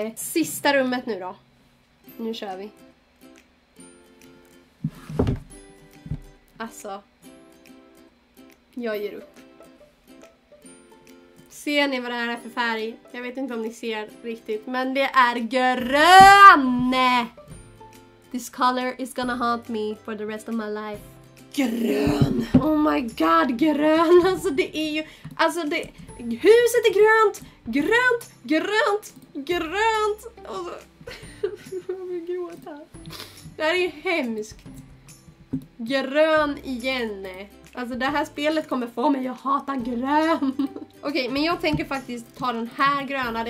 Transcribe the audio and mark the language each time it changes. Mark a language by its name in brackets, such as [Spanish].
[Swedish] Sista rummet nu då. Nu kör vi. Alltså, jag ger upp. Ser ni vad det här är för färg? Jag vet inte om ni ser riktigt, men det är grön! [English] This color is gonna haunt me for the rest of my life. [Swedish] Grön! [English] Oh my god, [Swedish] grön! Alltså det är ju, alltså det, huset är grönt! Grönt, grönt, grönt! Och så, jag gråter. Det här är ju hemskt. Grön igen. Alltså det här spelet kommer få mig att hata grön. Okej, men jag tänker faktiskt ta den här gröna.